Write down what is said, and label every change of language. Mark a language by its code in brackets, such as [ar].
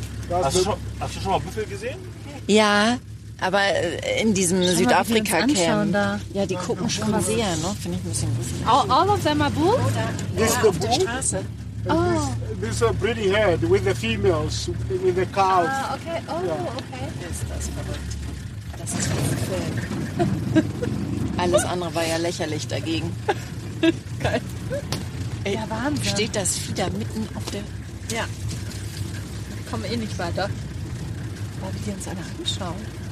[de] Hast du schon mal Büffel gesehen? Ja. Aber in diesem Südafrika-Camp. Ja, die gucken schon sehr, ne? Finde ich ein bisschen lustig. [en] All of them are bulls? [de] Yeah, auf der Straße. Oh. [en] This is a breeding herd with the females, with the cows. Okay. [de] Das ist verrückt. Das ist ein Alles andere war ja lächerlich dagegen. Geil. Ja, Wahnsinn. Steht das Vieh da mitten auf der... Ja. Ich komme eh nicht weiter. Wollen wir die uns alle anschauen?